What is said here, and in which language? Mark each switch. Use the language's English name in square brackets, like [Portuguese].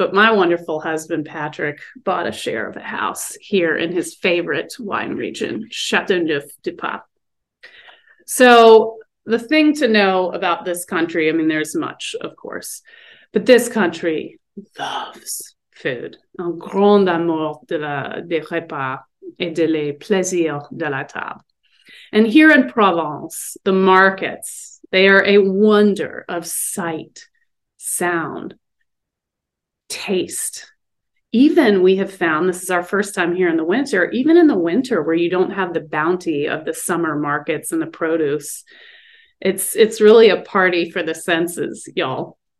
[English] But my wonderful husband, Patrick, bought a share of a house here in his favorite wine region, Chateauneuf-du-Pape. So the thing to know about this country, I mean, there's much, of course, but this country loves food. [French] Un grand amour des repas et de les plaisirs de la table. [English] And here in Provence, the markets, they are a wonder of sight, sound, taste. Even we have found, this is our first time here in the winter, even in the winter where you don't have the bounty of the summer markets and the produce, it's really a party for the senses, y'all.